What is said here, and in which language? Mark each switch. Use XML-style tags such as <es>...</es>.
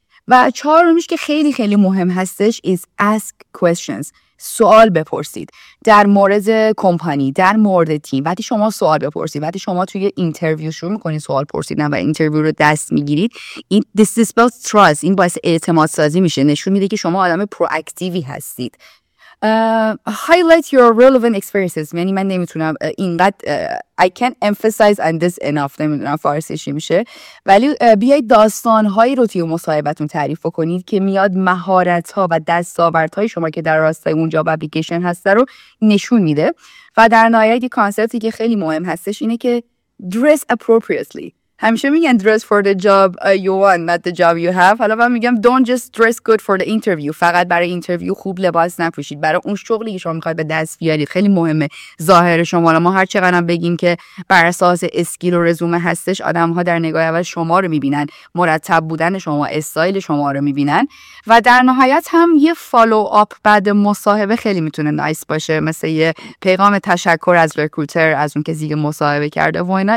<fa>و چهارمیش که خیلی خیلی مهم هستش</fa> <en>is ask questions،</en> <fa>سوال بپرسید در مورد کمپانی، در مورد تیم. وقتی شما سوال بپرسید، وقتی شما توی اینترویو شروع میکنید سوال پرسیدن و اینترویو رو دست میگیرید، این</fa> <en>this is about trust،</en> <fa>این باعث اعتماد سازی میشه، نشون میده که شما آدم پرواکتیوی هستید.</fa> <en>Highlight your relevant experiences.</en> <fa>یعنی من نمیتونم اینقدر</fa> <en>I can't emphasize on this enough.</en> <fa>نمیدونم فارسیشی میشه، ولی بیایید داستانهایی رو توی مصاحبتون تعریف کنید که میاد مهارت ها و دستاورد های شما که در راستای اونجا با اپلیکیشن هست رو نشون میده. و در نهایت یه کانسپتی که خیلی مهم هستش اینه که</fa> <en>dress appropriately.</en> <fa>همیشه میگن</fa> <en>dress for the job you want, not the job you have.</en> <fa>حالا من میگم</fa> <en>don't just dress good for the interview.</en> <fa>فقط برای اینترویو خوب لباس نپوشید. برای اون شغلی که شما میخواید به دست بیارید خیلی مهمه ظاهر شما. ما هر چقدرم بگیم که بر اساس اسکیل و رزومه هستش، آدم ها در نگاه اول شما رو میبینن، مرتب بودن شما، استایل شما رو میبینن. و در نهایت هم یه فالو آپ بعد مصاحبه خیلی میتونه نایس باشه، مثل یه پیغام تشکر از رکروتر، از اون که زیگه مصاحبه کرده و اینا.</fa>